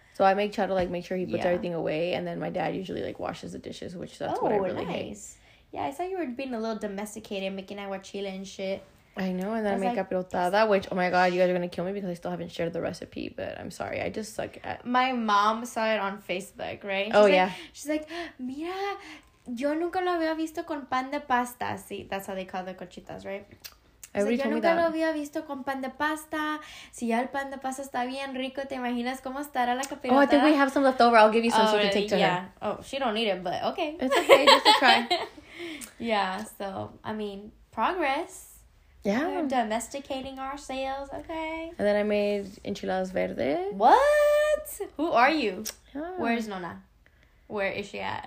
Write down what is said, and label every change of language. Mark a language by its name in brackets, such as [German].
[English] So, I make Chato, like, make sure he puts everything away, and then my dad usually, like, washes the dishes, which that's what I really hate. Yeah, I saw you were being a little domesticated, making agua chile and shit. I know, and then I make capirotada, which, oh my god, you guys are going to kill me because I still haven't shared the recipe, but I'm sorry, I just suck at... My mom saw it on Facebook, right? She's like, [Spanish] mira, yo nunca lo había visto con pan de pasta. [English] See, that's how they call the cochitas, right? Everybody told me that. [Spanish] Yo nunca lo había visto con pan de pasta. Si ya el pan de pasta está bien rico, ¿te imaginas cómo estará la capirotada? [English] Oh, I think we have some left over. I'll give you some so you can take to her. Oh, she don't need it, but okay. It's okay, just to try. Yeah, so, I mean, progress. Yeah. We're domesticating ourselves, okay. And then I made enchiladas verde. What? Who are you? Yeah. Where is Nona? Where is she at?